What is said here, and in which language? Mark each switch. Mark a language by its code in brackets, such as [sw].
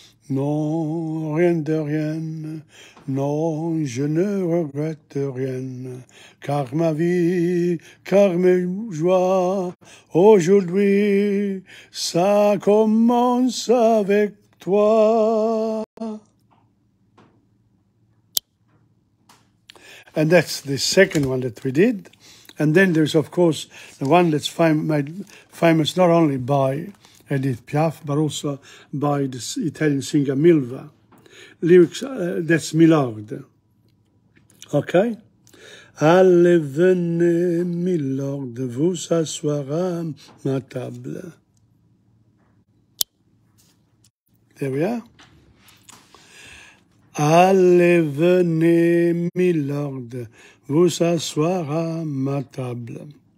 [fr] Non, rien de rien, non, je ne regrette rien, car ma vie, car mes joies, aujourd'hui, ça commence avec toi. [en] And that's the second one that we did. And then there's, of course, the one that's made famous not only by Edith Piaf, but also by this Italian singer Milva. Lyrics, that's Milord. Okay? [fr] Allez, venez, Milord, vous asseoir à ma table. [en] There we are. [fr] Allez, venez, Milord, vous asseoir à ma table.